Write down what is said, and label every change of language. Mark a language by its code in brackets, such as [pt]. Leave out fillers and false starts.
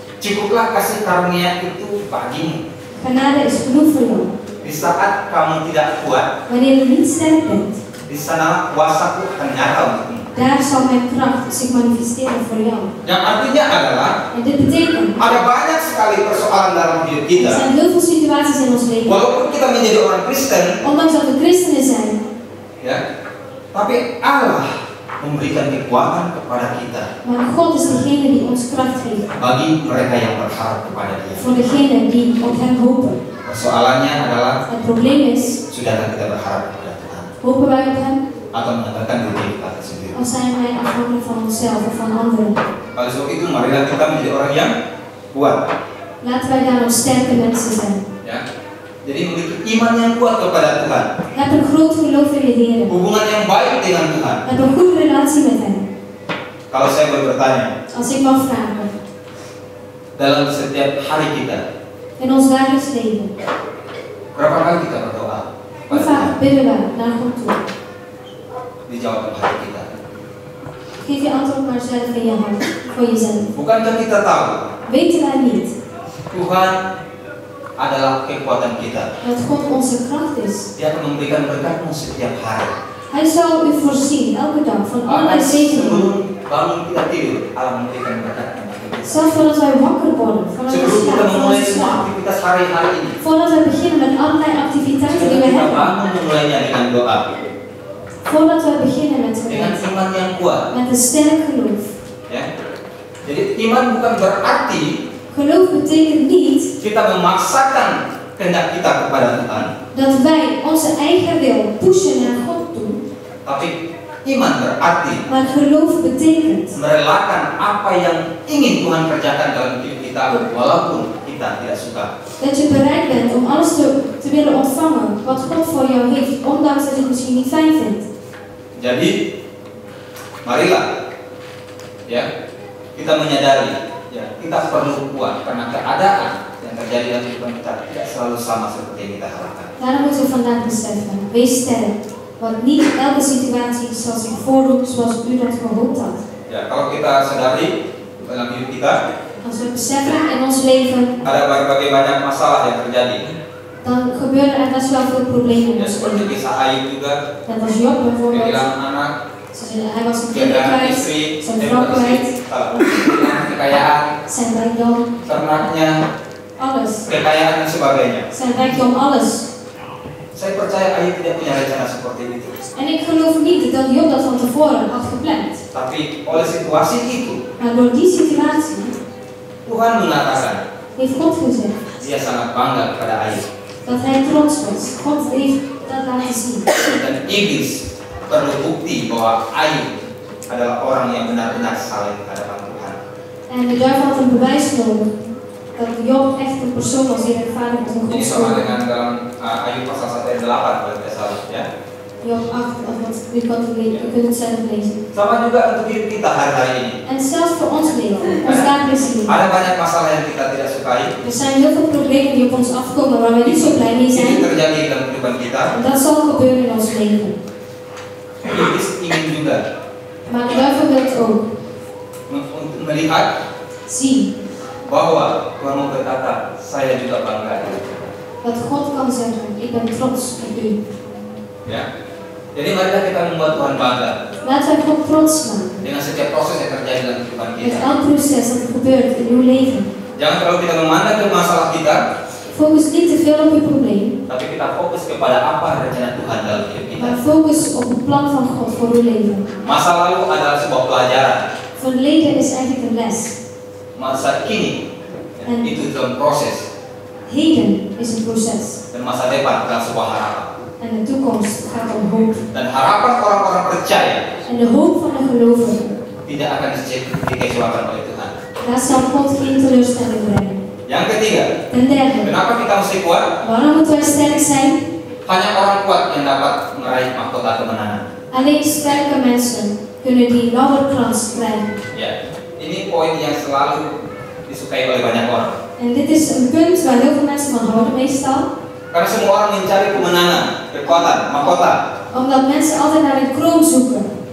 [id] cukuplah kasih karunia itu bagimu. [nl] Genade is genoeg voor jou. [id] Di saat kamu tidak kuat, [nl] wanneer je niet sterk bent, [id] di sana kuasaku akan nyata untukmu. [nl] Daar zal mijn kracht zich manifesteren voor jou. [id] Yang artinya adalah, [nl] en dit betekent, [id] ada banyak sekali persoalan dalam hidup kita. [nl] Er zijn heel veel situaties in ons leven. [id] Walaupun kita menjadi orang Kristen, [nl] ondanks dat we Christenen zijn, [id] ya, tapi Allah memberikan kekuatan kepada kita. [nl] Maar God is degene die ons kracht geeft. [id] Bagi mereka yang berharap kepada Dia. [nl] Voor degene die op Hem hopen. [id] Persoalannya adalah, [nl] het probleem is, [id] sudahkah kita berharap kepada Tuhan? [nl] Hopen wij op Hem? [id] Atau mengatakan diri kita sendiri? [nl] Of zijn wij afhankelijk van onszelf of van anderen? [id] Pada saat itu marilah kita menjadi orang yang kuat. [nl] Laten wij daarom sterke mensen zijn. [id] Ya. Jadi memiliki iman yang kuat kepada Tuhan. [nl] Heb een groot geloof in de Heer. [id] Hubungan yang baik dengan Tuhan. [nl] Heb een goede relatie met Hem. [id] Kalau saya boleh bertanya. [nl] Als ik mag vragen. [id] Dalam setiap hari kita. [nl] In ons dagelijks leven. [id] Berapa kali kita berdoa? [nl] Hoe vaak bidden we naar God toe? [id] Dijawab oleh hati kita. [nl] Geef je antwoord maar zelf in je hart, voor jezelf. [id] Bukankah kita tahu? [nl] Weten wij niet? [id] Tuhan adalah kekuatan kita. [nl] Dat God onze kracht is. [id] Dia akan memberikan berkat-Mu setiap hari. [nl] Hij zal u voorzien elke dag van allerlei zegeningen. [id] Sebelum bangun kita tidur, Allah memberikan berkat. [nl] Zelfs voordat wij wakker worden, voordat wij beginnen met allerlei activiteiten die we hebben. Voordat wij beginnen met [id] iman yang kuat. [nl] Met een sterk geloof. [id] Ya. Jadi iman bukan berarti [nl] geloof betekent niet [id] kita memaksakan kehendak kita kepada Tuhan. [nl] Dat wij onze eigen wil pushen naar God toe. [id] Tapi iman berarti. [nl] Maar geloof betekent [id] merelakan apa yang ingin Tuhan kerjakan dalam hidup kita, walaupun kita tidak suka. [nl] Dat je bereid bent om alles te willen ontvangen wat God voor jou heeft, ondanks dat je het misschien niet fijn vindt. [id] Jadi, marilah, ya, kita menyadari, ya, kita perlu kuat karena keadaan yang terjadi dalam hidup kita tidak selalu sama seperti yang kita harapkan. [nl] Daarom moet je vandaag beseffen, wees sterk. Want niet elke situatie zal zich voordoen zoals u dat gehoopt had. [id] Ya, kalau kita sadari dalam hidup kita, [nl] als we beseffen in ons leven, [id] ada berbagai banyak masalah yang terjadi. [nl] Dan gebeuren er best wel veel problemen. [id] Ja, seperti kisah Ayub juga. [nl] Dat was Job bijvoorbeeld. [id] Kehilangan anak. [nl] Hij was een kinderkwijt. Zijn vrouw kwijt. [id] Kekayaan. [nl] Zijn rijkdom. [id] Ternaknya. [nl] Alles. [id] Kekayaan dan sebagainya. [nl] Zijn rijkdom, alles. [id] Saya percaya Ayub tidak punya rencana seperti itu. [nl] En ik geloof niet dat Job dat van tevoren had gepland. [id] Tapi oleh situasi itu. [nl] Maar door die situatie. [id] Tuhan mengatakan. [nl] Heeft God gezegd. [id] Dia sangat bangga kepada Ayub. [nl] Dat hij trots was. God heeft dat laten zien. [id] Dan iblis perlu bukti bahwa Ayub adalah orang yang benar-benar saleh hadapan Tuhan. [nl] En de duivel had een bewijs nodig dat Job echt een persoon was die ervaring van God had. [id] Ini sama dengan dalam Ayub pasal 1 ayat 8 kalau tidak salah, ya. [nl] Job 8, of wat we kunnen lezen, we kunnen het zelf lezen. [id] Sama juga untuk diri kita hari-hari ini. [nl] En zelfs voor ons leven, ons dagelijks leven. [id] Ada banyak masalah yang kita tidak sukai. [nl] Er zijn heel veel problemen die op ons afkomen waar wij niet zo blij mee zijn. [id] Ini terjadi dalam kehidupan kita. [nl] Dat zal gebeuren in ons leven. [id] Iblis ingin juga. [nl] Maar de duivel wil ook. [id] Untuk melihat. [nl] Zien. [id] Bahwa Tuhan mau berkata, saya juga bangga. [nl] Dat God kan zeggen, ik ben trots op u. [id] Ya. Jadi marilah kita membuat Tuhan bangga. [nl] Laten we God trots maken. [id] Dengan setiap proses yang terjadi dalam kehidupan kita. [nl] Met elk proces dat gebeurt in uw leven. [id] Jangan terlalu kita memandang ke masalah kita. [nl] Focus niet te veel op uw probleem. [id] Tapi kita fokus kepada apa rencana Tuhan dalam hidup kita. [nl] Maar focus op het plan van God voor uw leven. [id] Masa lalu adalah sebuah pelajaran. [nl] Verleden is eigenlijk een les. [id] Masa kini itu dalam proses. [nl] Heden is een proces. [id] Dan masa depan adalah sebuah harapan. [nl] En de toekomst gaat om hoop. [id] Dan harapan orang-orang percaya. [nl] En de hoop van de geloven. [id] Tidak akan dikecewakan oleh Tuhan. [nl] Dat zal God geen teleurstelling brengen. [id] Yang ketiga. [nl] Ten derde. [id] Kenapa kita mesti kuat? [nl] Waarom moeten wij sterk zijn? [id] Hanya orang kuat yang dapat meraih mahkota kemenangan. [nl] Alleen sterke mensen kunnen die lauwerkrans krijgen. [id] Ya, ini poin yang selalu disukai oleh banyak orang. [nl] En dit is een punt waar heel veel mensen van houden meestal. [id] Karena semua orang mencari kemenangan, kekuatan, mahkota. [nl] Omdat mensen altijd naar een kroon zoeken.